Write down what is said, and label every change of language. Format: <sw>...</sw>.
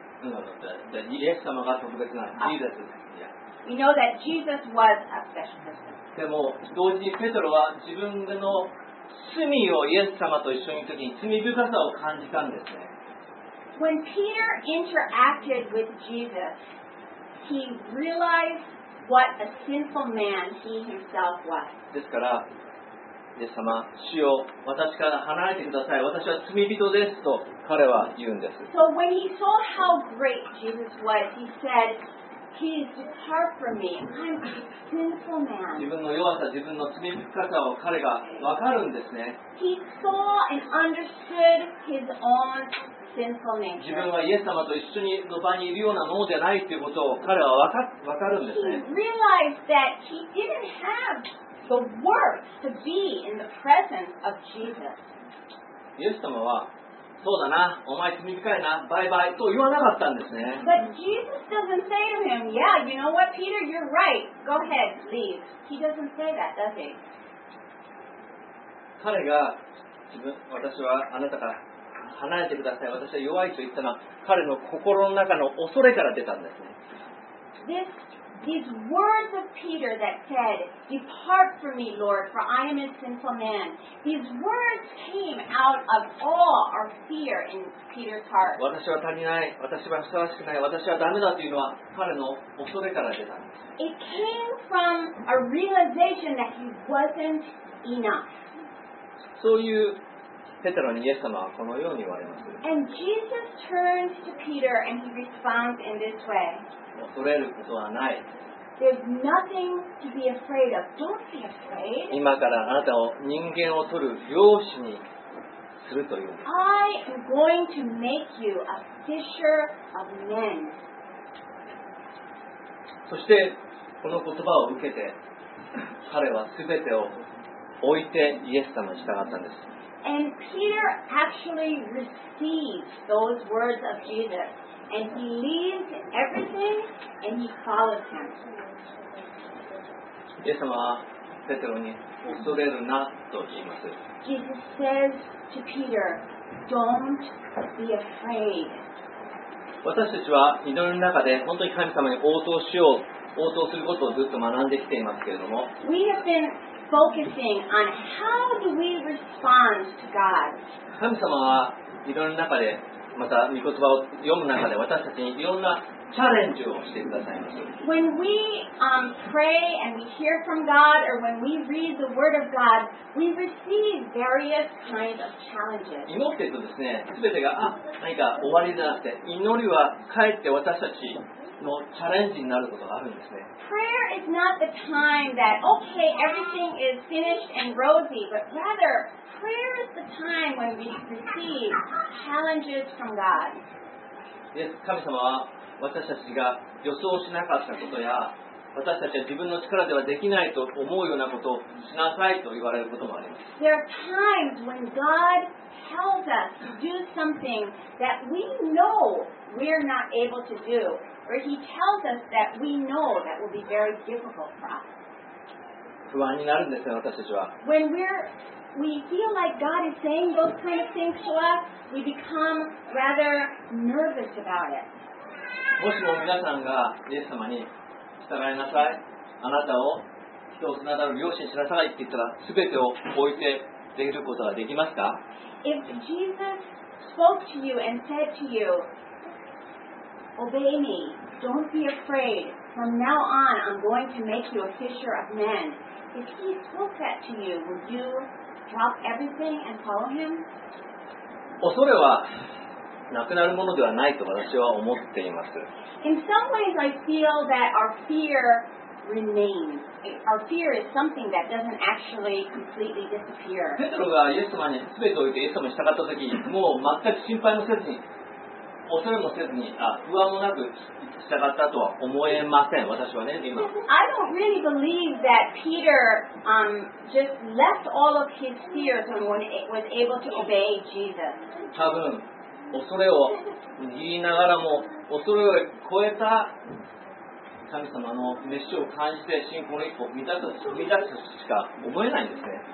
<ja>イエス様が特別な、ジーザス。</ja> <en>We know that Jesus was a special person.</en> <ja>でも同時にペテロは自分の罪をイエス様と一緒にいるときに罪深さを感じたんですね。</ja> <en>When Peter interacted with Jesus,He realized what a sinful man he himself was.</en> <ja>ですから、イエス様、主よ、私から離れてください。私は罪人ですと彼は言うんです。</ja> <en>So when he saw how great Jesus was, he said, "Please depart from me. I'm a sinful man."</en> <ja>自分の弱さ、自分の罪深さを彼が分かるんですね。</ja> <en>He saw and understood his own.</en> <ja>自分はイエス様と一緒にの場にいるようなものじゃないということを彼は分かるんですね。</ja> <en>He realized that he didn't have the worth to be in the presence of Jesus.</en> <ja>イエス様は、そうだな、お前罪深いな、バイバイと言わなかったんですね。</ja> <en>But Jesus doesn't say to him, "Yeah, you know what, Peter, you're right. Go ahead, leave." He doesn't say that, does he?</en> <ja>彼が私はあなたから離れてください。私は弱いと言ったのは彼の心の中の恐れから出たんですね。</ja> <en>These words of Peter that said, "Depart from me, Lord, for I am a sinful man." These words came out of awe or fear in Peter's heart.</en> <ja>私は足りない。私はふさわしくない。私はダメだというのは彼の恐れから出たんです。</ja> <en>It came from a realization that he wasn't enough.</en> <ja>そういうペテロにイエス様はこのように言われます。</ja> <en>And Jesus turns to Peter and he responds in this way.</en> <ja>恐れることはない。</ja> <en>There's nothing to be afraid of. Don't be afraid.</en> <ja>今からあなたを人間を取る漁師にするというんです。</ja> <en>I am going to make you a fisher of men.</en> <ja>そしてこの言葉を受けて彼はすべてを置いてイエス様に従ったんです。</ja> <en>And Peter actually received those words of Jesus and believed everything and he followed him.</en> <ja>イエス様はペテロに恐れるなと言います。</ja> <en>Jesus says to Peter, "Don't be afraid."</en> <ja>私たちは祈りの中で本当に神様に応答しよう、応答することをずっと学んできていますけれども。</ja> <en>We have been focusing on how do we respond to God.</en> <ja>神様は祈りの中で、また御言葉を読む中で私たちにいろんなチャレンジをしてくださいます。</ja> <en>When we pray and we hear from God or when we read the word of God, we receive various kinds of challenges.</en> <ja>祈っているとですね、すべてが何か終わりじゃなくて、祈りはかえって私たちのチャレンジになることがあるんですね。</ja> <en>Prayer is not the time that, okay, everything is finished and rosy, but rather, prayer is the time when we receive challenges from God.</en> <ja>イエス神様は私たちが予想しなかったことや私たちは自分の力ではできないと思うようなことをしなさいと言われることもあります。</ja> <en>There are times when God tells us to do something that we know we're not able to do, or He tells us that we know that will be very difficult for us.</en> <ja>不安になるんですね、私たちは。</ja> <en>When we feel like God is saying those kind of things to us, we become rather nervous about it.</en> <ja>もしも皆さんがイエス様に従いなさい、あなたを人をつながる良心しなさいって言ったら、すべてを置いてできることができますか？</ja> <en>If Jesus spoke to you and said to you, "Obey me, don't be afraid. From now on, I'm going to make you a fisher of men." If He spoke that to you, would you drop everything and follow Him?</en> <ja>恐れはなくなるものではないと私は思っています。</ja> <en>In some ways, I feel that our fear remains. Our fear is something that doesn't actually completely disappear.</en> <ja>ペトロがイエス様に全てを置いてイエス様に従ったとき、もう全く心配もせずに、恐れもせずに、不安もなく従ったとは思えません。私はね、今。</ja> <en>I don't really believe that Peter just left all of his fears when he was able to obey Jesus.</en> <ja>多分。恐れを言いながらも恐れを超えた神様の召しを感じて信仰の一歩を踏み出すしか思えないんですね。</ja>